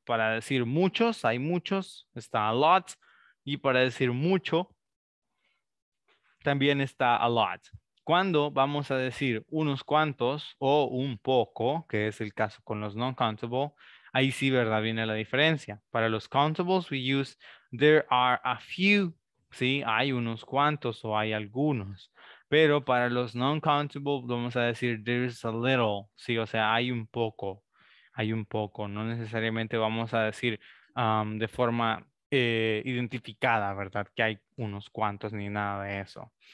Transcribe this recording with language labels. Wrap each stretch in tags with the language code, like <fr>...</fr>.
<es>Para decir muchos, hay muchos, está</es> <en>a lot.</en> <es>Y para decir mucho, también está a lot. Cuando vamos a decir unos cuantos o un poco, que es el caso con los non-countable, ahí sí, ¿verdad?, viene la diferencia. Para los countables,</es> <en>we use there are a few.</en> <es>Sí, hay unos cuantos o hay algunos. Pero para los non-countable vamos a decir</es> <en>there's a little,</en> <es>sí, o sea, hay un poco, no necesariamente vamos a decir de forma identificada, ¿verdad?, que hay unos cuantos ni nada de eso.</es>